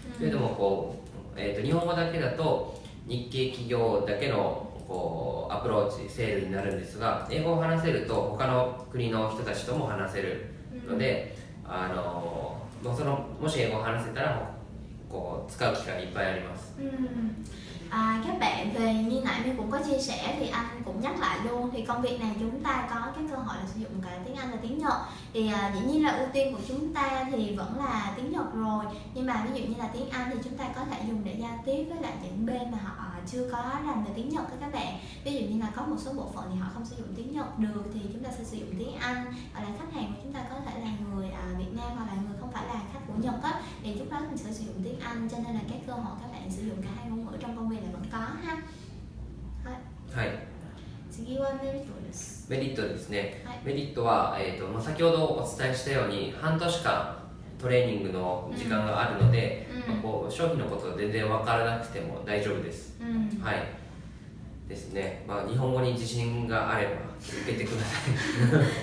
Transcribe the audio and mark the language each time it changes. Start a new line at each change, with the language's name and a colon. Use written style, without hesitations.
Japanese: けれども、日本語だけだと、日系企業だけのこうアプローチセールになるんですが、英語を話せると他の国の人たちとも話せるので、もし英語を話せたらこう使う機会がいっぱいあります。
Vietnamese: À, các bạn về như nãy mình cũng có chia sẻ thì anh cũng nhắc lại luôn thì công việc này chúng ta có cái cơ hội là sử dụng cả tiếng Anh và tiếng Nhật thì dĩ nhiên là ưu tiên của chúng ta thì vẫn là tiếng Nhật rồi, nhưng mà ví dụ như là tiếng Anh thì chúng ta có thể dùng để giao tiếp với lại những bên mà họ chưa có rành về tiếng Nhật đó các bạn. Ví dụ như là có một số bộ phận thì họ không sử dụng tiếng Nhật được thì chúng ta sẽ sử dụng tiếng Anh, hoặc là khách hàng của chúng ta có thể là người Việt Nam hoặc là người không phải là khách của Nhật á, thì lúc đó mình sẽ sử dụng tiếng Anh, cho nên là các cơ hội các bạn sử dụng cả hai ngôn ngữ trong công việc là vẫn có ha.
Japanese: Hi. メリットですね。メリットは、まあ、先ほどお伝えしたように半年間トレーニングの時間があるので、まあ、こう商品のことは全然分からなくても大丈夫です。はい。ですね。まあ、日本語に自信があれば受けてください。